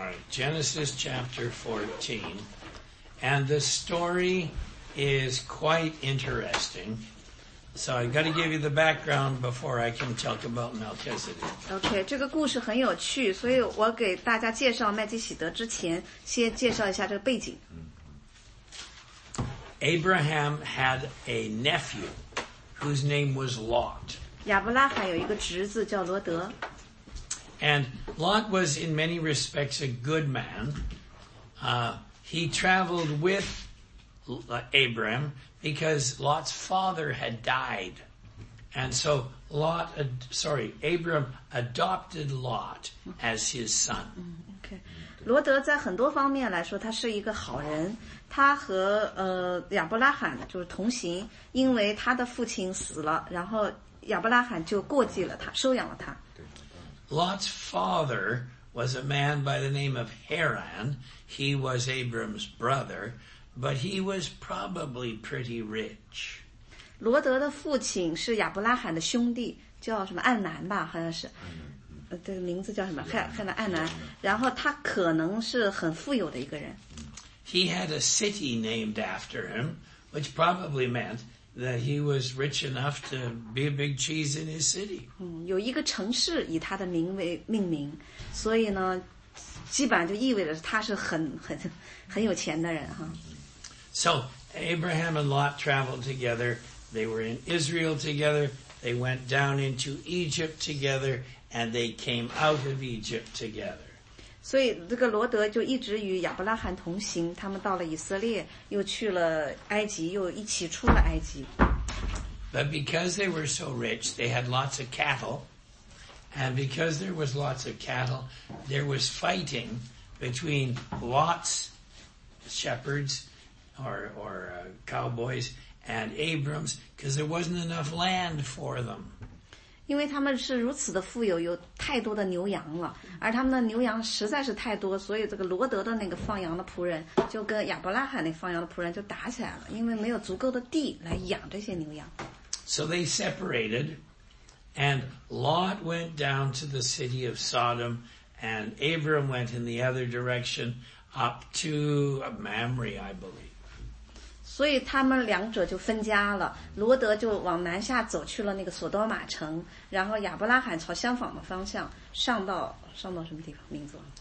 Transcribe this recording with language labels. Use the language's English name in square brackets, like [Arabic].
[English] Genesis chapter 14, and the story is quite interesting, so I've got to give you the background before I can talk about Melchizedek. [Chinese] Okay, 这个故事很有趣, 所以我给大家介绍麦基喜德之前, 先介绍一下这个背景。 [English] Abraham had a nephew whose name was Lot. [Chinese] 亚伯拉罕有一个侄子叫罗德。 [English] And Lot was in many respects a good man. He traveled with Abraham because Lot's father had died. And so Abraham adopted Lot as his son. Okay. [Chinese] 罗德在很多方面来说他是一个好人。他和亚伯拉罕就是同行，因为他的父亲死了，然后亚伯拉罕就过继了他，收养了他。 [English] Lot's father was a man by the name of Haran. He was Abram's brother, but he was probably pretty rich. [Chinese] 罗德的父亲是亚伯拉罕的兄弟，叫什么暗南吧，好像是，这个名字叫什么黑南暗南。然后他可能是很富有的一个人。 [English] He had a city named after him, which probably meant that he was rich enough to be a big cheese in his city. [Chinese] 有一个城市以他的名为命名，所以呢，基本上就意味着他是很有钱的人哈。 [English] So Abraham and Lot traveled together. They were in Israel together. They went down into Egypt together, and they came out of Egypt together. [Chinese] 所以这个罗德就一直与亚伯拉罕同行，他们到了以色列，又去了埃及，又一起出了埃及。 [English] But because they were so rich, they had lots of cattle. And because there was lots of cattle, there was fighting between Lot's shepherds or cowboys and Abram's, because there wasn't enough land for them. [Chinese] 因为他们是如此的富有，有太多的牛羊了，而他们的牛羊实在是太多，所以这个罗德的那个放羊的仆人就跟亚伯拉罕那放羊的仆人就打起来了，因为没有足够的地来养这些牛羊。 [English] So they separated, and Lot went down to the city of Sodom, and Abram went in the other direction up to Mamre, I believe. [Chinese] 所以他们两者就分家了，罗德就往南下走去了那个索多玛城，然后亚伯拉罕朝相反的方向上到什么地方名字